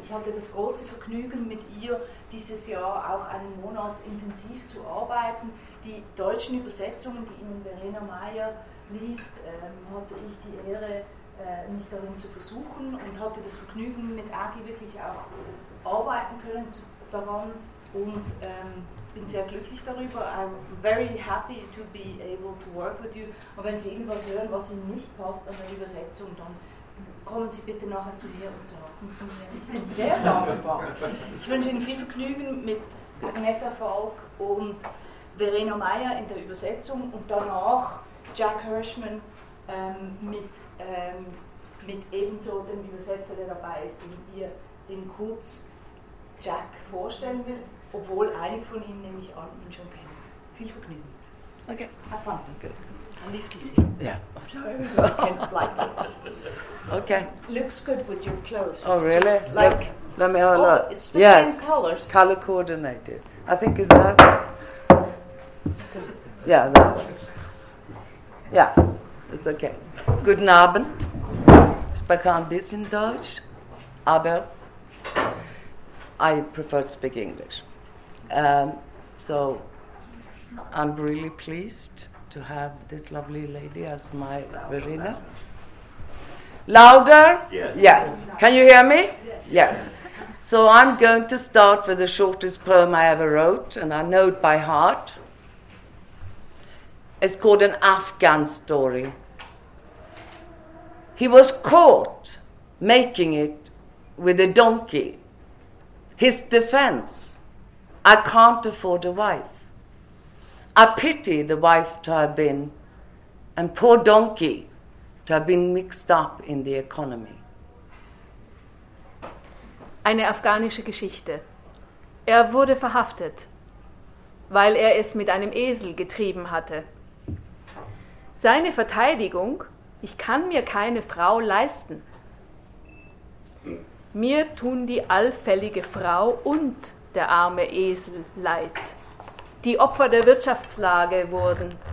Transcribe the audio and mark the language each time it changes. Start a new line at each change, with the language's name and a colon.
German: Ich hatte das große Vergnügen, mit ihr dieses Jahr auch einen Monat intensiv zu arbeiten. Die deutschen Übersetzungen, die Ihnen Verena Meyer liest, hatte ich die Ehre, mich darin zu versuchen, und hatte das Vergnügen, mit Aggie wirklich auch arbeiten können daran, und bin sehr glücklich darüber.
English: I'm very happy to be able to work with you.
German: Und wenn Sie irgendwas hören, was Ihnen nicht passt an der Übersetzung, dann kommen Sie bitte nachher zu mir und sagen Sie mir. Ich bin sehr dankbar. Ich wünsche Ihnen viel Vergnügen mit Agneta Falk und Verena Meyer in der Übersetzung und danach Jack Hirschman mit ebenso dem Übersetzer, der dabei ist, den ihr in kurz Jack vorstellen will, obwohl einige von Ihnen nämlich an ihn schon kennen. Viel Vergnügen.
English: Okay. Have fun. Good. I'll lift you. Yeah. Oh, sorry. Like okay. Looks good with your clothes. Oh, it's really? Like, let me have a look. It's the same colours. Colour coordinated. I think, is that? So. Yeah, that's. Yeah, it's okay.
German: Guten Abend. Ich spreche ein bisschen Deutsch, aber
English: I prefer to speak English. So I'm really pleased to have this lovely lady as my Verena. Louder? Yes. Yes. Can you hear me? Yes. Yes. So I'm going to start with the shortest poem I ever wrote, and I know it by heart. It's called An Afghan Story. He was caught making it with a donkey. His defense, I can't afford a wife. I pity the wife to have been, and poor donkey to have been mixed up in the economy.
German: Eine afghanische Geschichte. Er wurde verhaftet, weil er es mit einem Esel getrieben hatte. Seine Verteidigung, ich kann mir keine Frau leisten. Mir tun die allfällige Frau und der arme Esel leid, die Opfer der Wirtschaftslage wurden.